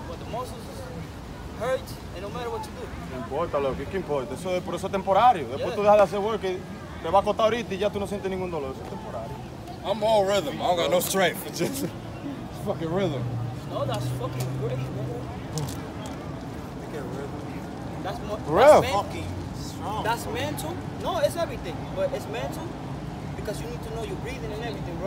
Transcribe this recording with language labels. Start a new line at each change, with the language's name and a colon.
English: But the muscles hurt, and no matter what you do.
Spanish: No importa, loco, ¿qué importa? Eso es por eso temporario. Después tú dejas de hacer work, te va a costar ahorita y ya tú no sientes ningún dolor. Eso es temporario.
English: I'm all rhythm. I don't got no strength. It's just fucking rhythm. No, that's fucking great, bro. Look at rhythm. That's more. Bro. That's fucking strong. That's mental. No, it's everything. But it's mental because you need to know your breathing and everything, bro.